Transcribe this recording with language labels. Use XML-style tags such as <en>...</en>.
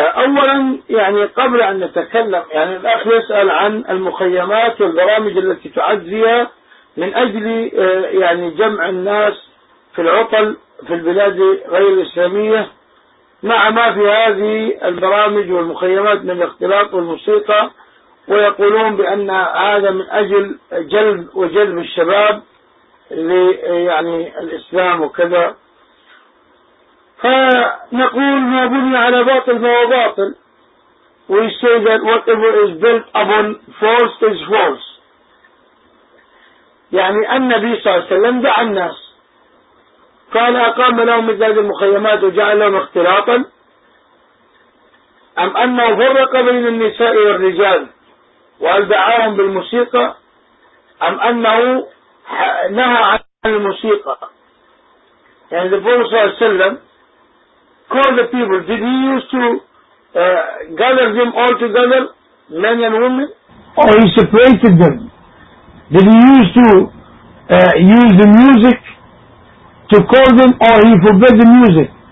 <ar>أولا يعني قبل أن نتكلم يعني الأخ يسأل عن المخيمات والبرامج التي تعزية من أجل يعني جمع الناس في العطل في البلاد غير الإسلامية مع ما في هذه البرامج والمخيمات من الاختلاط والموسيقى، ويقولون بأن هذا من أجل جلب الشباب يعني الإسلام وكذا. فنقول ما بني على باطل فهو باطل.</ar> <en>We say that whatever is built upon false is false.</en> <ar>يعني النبي صلى الله عليه وسلم دعا الناس قال أقام لهم مثل هذه المخيمات وجعل لهم اختلاطا أم أنه فرق بين النساء والرجال وهل دعاهم بالموسيقى أم أنه نهى عن الموسيقى. يعني النبي صلى الله عليه وسلم</ar> <en>call the people. Did he used to gather them all together, men and women? Or he separated them? Did he used to use the music to call them, or he forbid the music?</en>